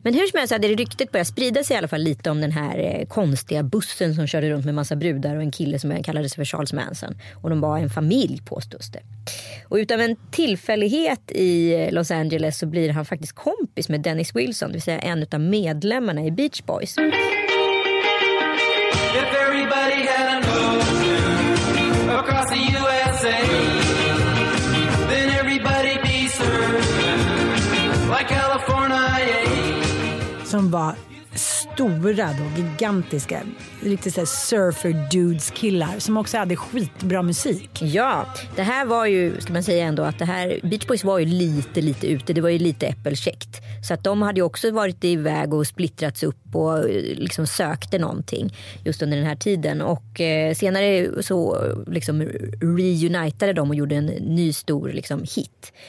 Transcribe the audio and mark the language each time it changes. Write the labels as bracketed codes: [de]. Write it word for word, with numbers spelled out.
[sv] Men hur som helst hade det ryktet börjat sprida sig i alla fall lite om den här eh, konstiga bussen som körde runt med massa brudar och en kille som kallades för Charles Manson. Och de var en familj, påstås det. Och utav en tillfällighet i Los Angeles så blir han faktiskt kompis med Dennis Wilson, det vill säga en utav medlemmarna i Beach Boys. [en] If everybody had an ocean across the U S A, then everybody be served like California. [sv] Som var stora då, gigantiska, riktigt såhär surfer dudes killar som också hade skitbra musik. Ja, det här var ju, ska man säga ändå, att det här Beach Boys var ju lite lite ute, det var ju lite äppelkäckt. Så att de hade ju också varit iväg och splittrats upp och liksom sökte någonting just under den här tiden, och eh, senare så liksom reunitade de och gjorde en ny stor liksom hit.